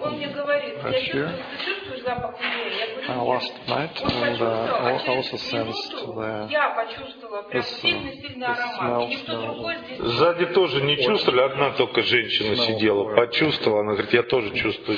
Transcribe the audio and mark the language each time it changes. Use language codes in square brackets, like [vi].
[ru] Он мне говорит, я чувствую запах у него. [en] Last night, and I also sensed the. [ru] Я почувствовала прям сильный аромат. Никто другой здесь. Сзади тоже не чувствовали, одна только женщина сидела, почувствовала. Она говорит, я тоже чувствую